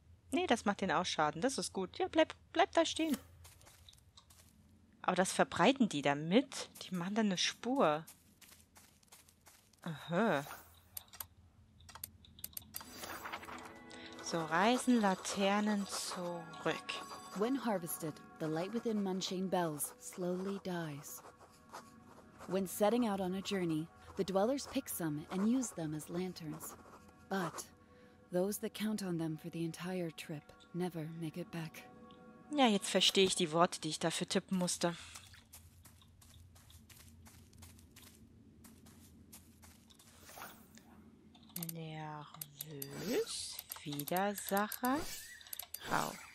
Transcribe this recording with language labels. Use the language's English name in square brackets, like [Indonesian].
[German] Nee, das macht den auch Schaden. Das ist gut. Ja, bleib da stehen. Aber das verbreiten die damit. Die machen dann eine Spur. Aha. So, reisen Laternen zurück. [English] When harvested, the light within Moonshane bells slowly dies. When setting out on a journey, the dwellers pick some and use them as lanterns. But those that count on them for the entire trip never make it back. [German] Ja, jetzt verstehe ich die Worte, die ich dafür tippen musste. Nervös. Widersacher. Hau.